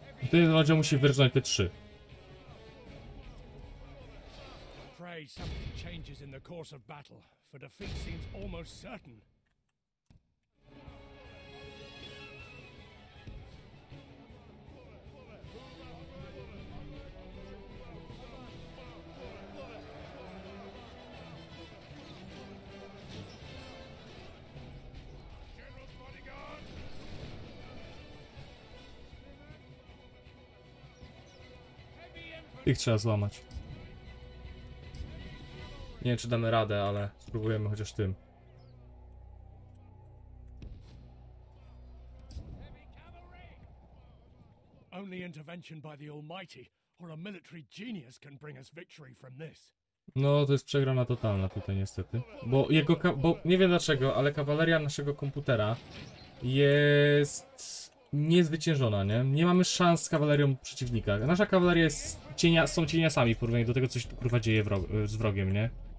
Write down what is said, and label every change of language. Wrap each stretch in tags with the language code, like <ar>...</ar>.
<pl>Ten jeden oddział musi wyrżnąć te trzy.</pl> <en>Pray something changes in the course of battle, for defeat seems almost certain.</en> <pl>Ich trzeba złamać. Nie wiem, czy damy radę, ale spróbujemy chociaż tym.</pl> <en>Only intervention by the Almighty or a military genius can bring us victory from this.</en> <pl>No, to jest przegrana totalna tutaj niestety. Bo jego bo nie wiem dlaczego, ale kawaleria naszego komputera jest niezwyciężona, nie? Nie mamy szans z kawalerią przeciwnika. Nasza kawaleria jest są cieniasami w porównaniu do tego, co się tu kurwa dzieje z wrogiem, nie?</pl>